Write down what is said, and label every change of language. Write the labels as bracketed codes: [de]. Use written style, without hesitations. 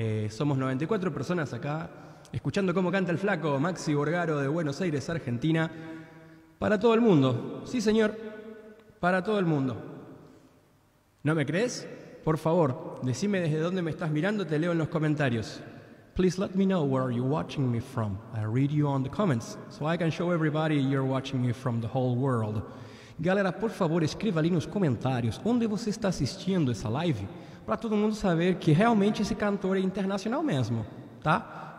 [es] Somos 94 personas acá, escuchando cómo canta el flaco Maxi Borgaro de Buenos Aires, Argentina. Para todo el mundo, sí señor, para todo el mundo. ¿No me crees? Por favor, decime desde dónde me estás mirando, te leo en los comentarios. [en] Please let me know where you're watching me from. I read you on the comments, so I can show everybody you're watching me from the whole world. [pt] Galera, por favor, escreva ali nos comentários onde você está assistindo essa live, para todo mundo saber que realmente esse cantor é internacional mesmo, tá?